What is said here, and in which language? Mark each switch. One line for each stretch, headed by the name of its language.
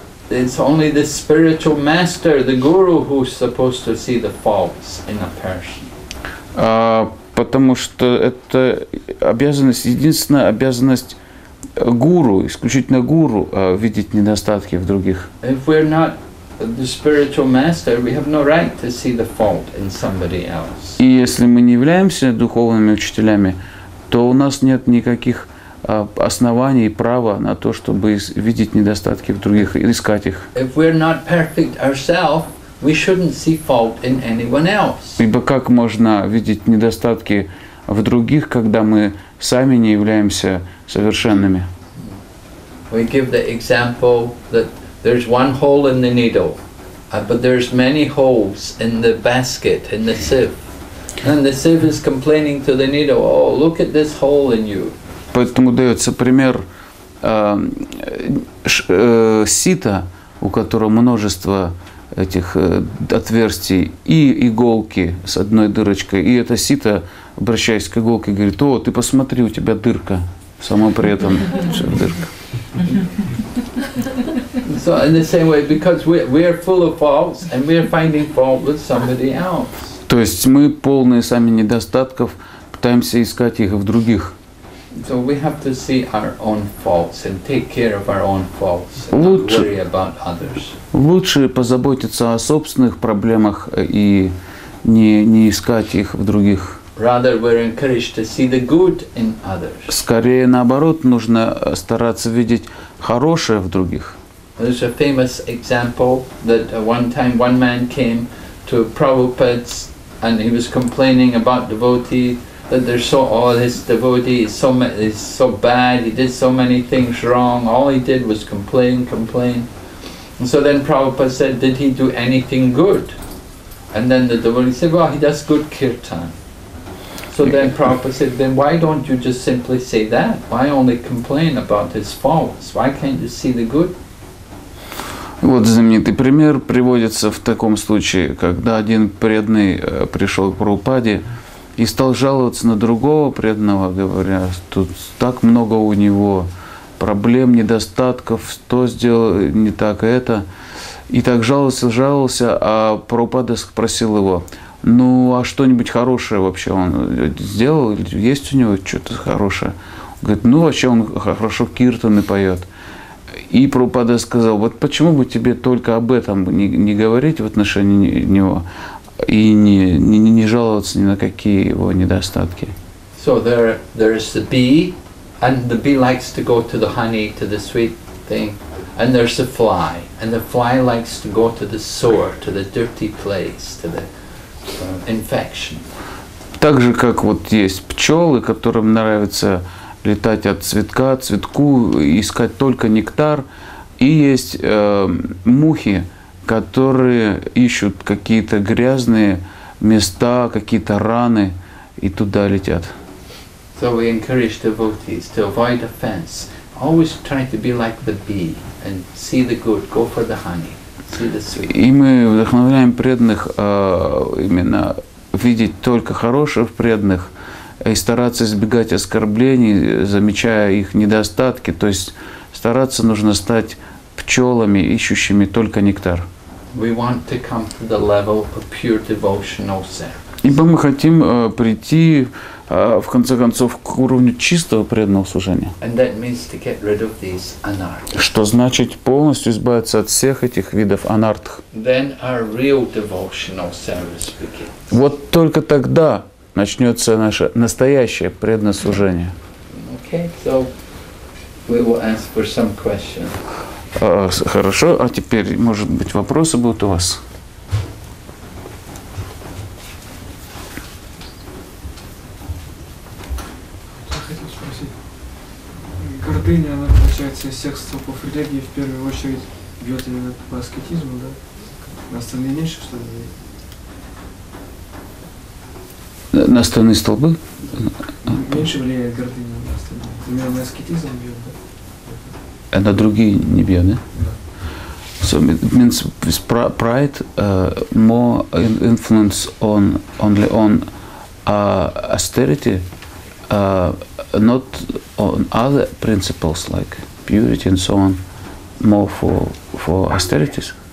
English: It's only the spiritual master, the guru, who's supposed to see the faults in a person.
Russian: Потому что это единственная обязанность гуру, исключительно гуру, видеть недостатки в других.
English: If we're not the spiritual master, we have no right to see the fault in somebody else.
Russian: И если мы не являемся духовными учителями, то у нас нет никаких основание и право на то, чтобы видеть недостатки в других и искать их.
English: If we're not perfect ourselves, we shouldn't see fault in anyone else.
Russian: Ибо как можно видеть недостатки в других, когда мы сами не являемся совершенными?
English: We give the example that there's one hole in the needle, but there's many holes in the basket, in the sieve. And the sieve is complaining to the needle, oh, look at this hole in you.
Russian: Поэтому дается пример сита, у которого множество этих отверстий и иголки с одной дырочкой. И это сито, обращаясь к иголке, говорит, о, ты посмотри, у тебя дырка. Само при этом все дырка.
English: So in the same way, because we are full of faults and we are finding fault with somebody else.
Russian: То есть мы полные сами недостатков, пытаемся искать их в других.
English: So we have to see our own faults and take care of our own faults and not worry about others.
Russian: Лучше позаботиться о собственных проблемах и не искать их в других.
English: Rather, we're encouraged to see the good in others.
Russian: Скорее наоборот, нужно стараться видеть хорошее в других.
English: There's a famous example that one time one man came to Prabhupada's and he was complaining about devotee, that there's so all his devotee is so bad, he did so many things wrong, all he did was complain. And so then Prabhupada said, did he do anything good? And then the devotee said, well, he does good kirtan. So then Prabhupada said, then why don't you just simply say that? Why only complain about his faults? Why can't you see the good?
Russian: Вот знаменитый пример приводится в таком случае, когда один преданный пришел к Прабхупаде и стал жаловаться на другого преданного, говоря, тут так много у него проблем, недостатков, то сделал не так, это. И так жаловался, а Прабхупада спросил его, ну а что-нибудь хорошее вообще он сделал, есть у него что-то хорошее? Он говорит, ну вообще он хорошо киртаны поет. И Прабхупада сказал, вот почему бы тебе только об этом не говорить в отношении него и не жаловаться ни на какие его недостатки.
English: So there is the bee, and the bee likes to go to the honey, to the sweet thing. And there's the fly, and the fly likes to go to the sore, to the dirty place, to the infection.
Russian: Так же, как вот есть пчелы, которым нравится летать от цветка к цветку, искать только нектар. И есть мухи, которые ищут какие-то грязные места, какие-то раны, и туда летят.
English: So we encourage devotees to avoid offense. Always try to be like the bee and see the good, go for the honey, see the sweet.
Russian: И мы вдохновляем преданных именно видеть только хорошее в преданных, и стараться избегать оскорблений, замечая их недостатки. То есть стараться нужно стать пчелами, ищущими только нектар.
English: We want to come to the level of pure devotional service.
Russian: Ибо мы хотим прийти, в конце концов, к уровню чистого преданного служения.
English: And that means to get rid of these anarthas.
Russian: Что значит полностью избавиться от всех этих видов анартх.
English: Then our real devotional service begins.
Russian: Вот только тогда начнется наше настоящее преданное служение.
English: Okay, so we will ask for some questions.
Russian: Хорошо, а теперь, может быть, вопросы будут у вас? Я хотел спросить. Гордыня, она получается из всех стопов религии, в первую очередь бьет именно по аскетизму, да? На остальные меньше, что ли? На остальные столбы? Меньше влияет гордыня на остальные. Именно на аскетизм бьет, да? А на другие не бьет, да? Да.
English: So it means with pride more influence on only on austerity, not on other principles like purity and so on, more for austerities.